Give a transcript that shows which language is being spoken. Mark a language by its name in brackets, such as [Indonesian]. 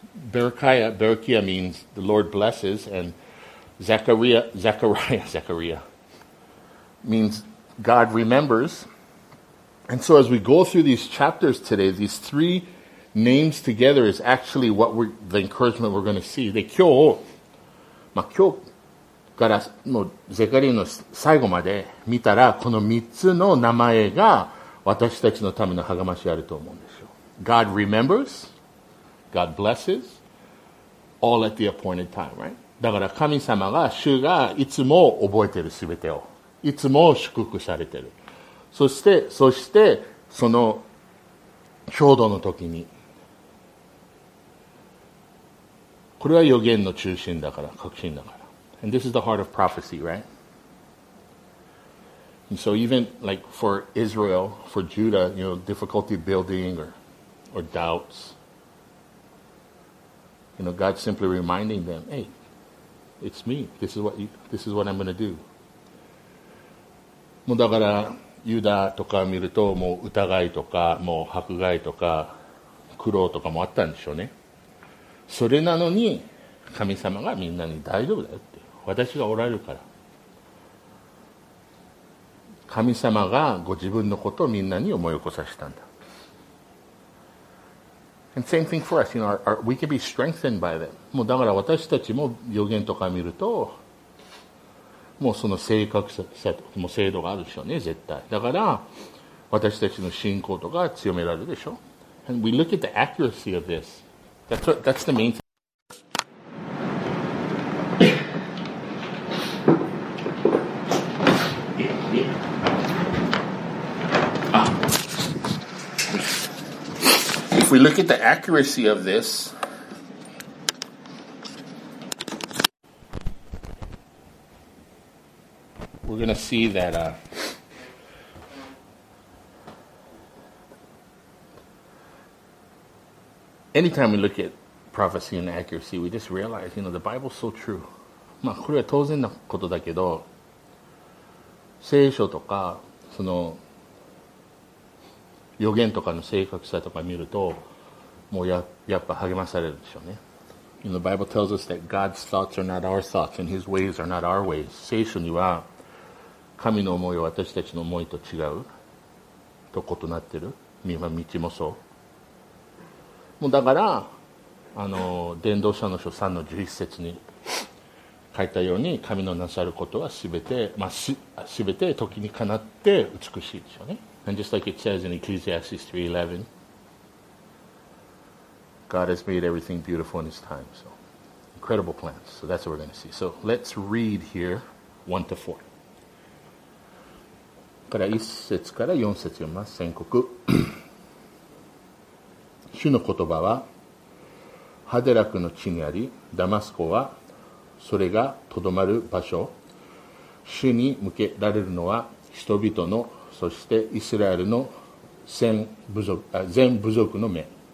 [English] Berechia means the Lord blesses, and Zechariah means God remembers. And so as we go through these chapters today, these three names together is actually what we're, the encouragement we're going to see. [Japanese] で、今日、まあ、今日からもうゼカリアの最後まで見たら、この三つの名前が私たちのための励ましあると思うんですよ。 [English] God remembers, God blesses, all at the appointed time, right? [Japanese] だから神様が、主がいつも覚えてるすべてを。いつも祝福されてる。そして、その、ちょうどの時に。これは予言の中心だから、確信だから。 [English] And this is the heart of prophecy, right? And so even like for Israel, for Judah, you know, difficulty building or doubts, you know, God's simply reminding them, hey, it's me. This is what I'm going to do. [Japanese] もうだから、ユダとか見ると、もう疑いとか、もう迫害とか、苦労とかもあったんでしょうね。それなのに神様がみんなに大丈夫だよって私がおられるから神様がご自分のことをみんなに思い起こさせたんだ。 [English] And same thing for us, you know, we can be strengthened by them. [Japanese] もうだから私たちも予言とか見るともうその正確さも精度があるでしょうね絶対。だから私たちの信仰とか強められるでしょ。 [English] And we look at the accuracy of thisThat's the main thing. If we look at the accuracy of this, we're going to see that, anytime we look at prophecy and accuracy, we just realize, you know, the Bible's so true. [Japanese] まあ、これは当然なことだけど、聖書とか、その、予言とかの正確さとか見ると、もうやっぱ励まされるでしょうね。 [English] You know, the Bible tells us that God's thoughts are not our thoughts and His ways are not our ways. [Japanese] 聖書には、神の思いは私たちの思いと違う、と異なってる。見は道もそう。もうだから、あの、伝道者の書3の11節に書いたように、神のなさることはすべて、まあ、すべて時にかなって美しいでしょうね。 [English] And just like it says in Ecclesiastes 3:11, God has made everything beautiful in His time. So, incredible plans. So that's what we're going to see. So let's read here 1 to 4. [Japanese] から1節から4節読みます。宣告。主の言葉はハデラクの地にあり、ダマスコはそれがとどまる場所。主に向けられるのは人々の、そしてイスラエルの全部族の目。